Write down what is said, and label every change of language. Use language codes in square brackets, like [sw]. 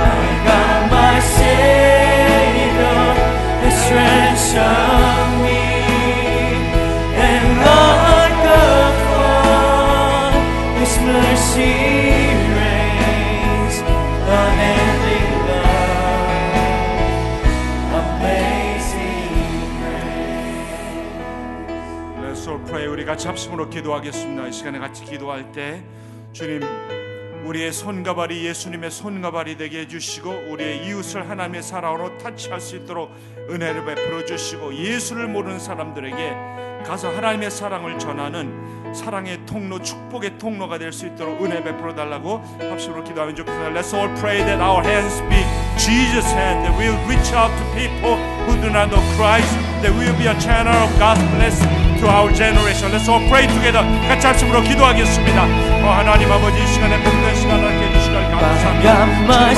[en] My God, my Savior, has ransomed me. And like a flood, His mercy rains unending love. Amazing grace. Let's all pray. [ko] 같이 합심으로 기도하겠습니다. 이 시간에 같이 기도할 때 주님, 우리의 손과 발이 예수님의 손과 발이 되게 해주시고 우리의 이웃을 하나님의 사랑으로 터치할 수 있도록 은혜를 베풀어 주시고 예수를 모르는 사람들에게 가서 하나님의 사랑을 전하는 사랑의 통로, 축복의 통로가 될 수 있도록 은혜 베풀어 달라고 합심으로 기도하면 좋겠습니다. [en] Let's all pray that our hands be Jesus' hand, that we'll reach out to people who do not know Christ, that we'll be a channel of God's blessing to our generation. Let's all pray together. [ko] 같이 합심으로 기도하겠습니다. 하나님 아버지, 이 시간에 복된 시간을 함께 주시길 감사합니다.